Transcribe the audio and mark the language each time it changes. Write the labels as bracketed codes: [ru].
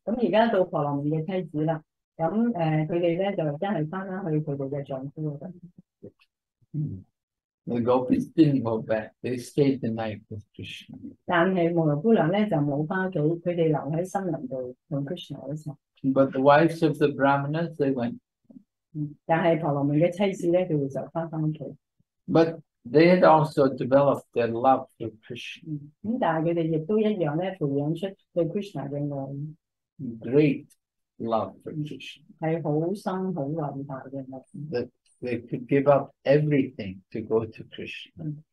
[yue] 咁而家到婆羅門嘅妻子啦，咁佢哋咧就真係翻返去佢哋嘅丈夫嗰度。 [en] The gopis didn't go back. They stayed the night with Krishna. [yue] 但係無論姑娘咧就冇翻屋企，佢哋留喺森林度同Krishna一齊。 [en] But the wives of the Brahmanas, they went. [yue] 但係婆羅門嘅妻子咧，佢哋就翻返屋企。 [en] But they had also developed their love for Krishna. [yue] 咁但係佢哋亦都一樣咧，培養出對Krishna嘅愛。 [en] Great love for Krishna. [yue] 係好深好偉大嘅愛。 [en] They could give up everything to go to Krishna.